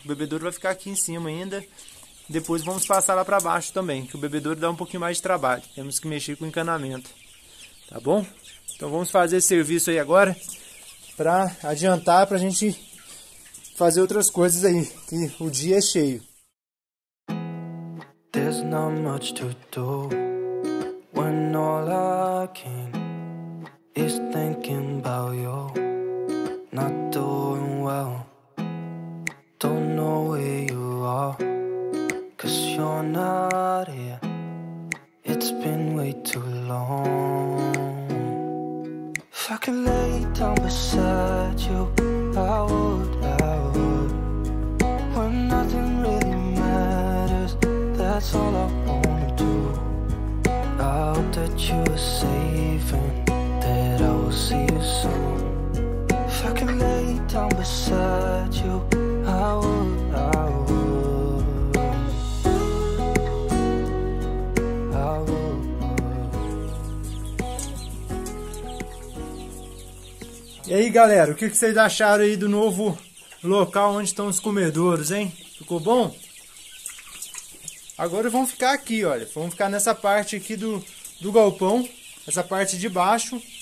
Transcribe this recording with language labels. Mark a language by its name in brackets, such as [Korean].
[Portuguese] O bebedouro vai ficar aqui em cima ainda. Depois vamos passar lá para baixo também, que o bebedouro dá um pouquinho mais de trabalho. Temos que mexer com o encanamento, tá bom? Então vamos fazer esse serviço aí agora para adiantar, para a gente fazer outras coisas aí, que o dia é cheio. [English] There's not much to do when all I can is thinking about you. Not doing well, don't know where you are, 'cause you're not here. It's been way too long. If I could lay down beside you, I would, I would. When nothing really matters, that's all I wanna do. I hope that you're safe and that I will see you soon. If I could lay down beside you, I would, I would, I would. [Portuguese] E aí, galera, o que vocês acharam aí do novo local onde estão os comedouros, hein? Ficou bom? Agora vão ficar aqui, olha. Vamos ficar nessa parte aqui do galpão, essa parte de baixo.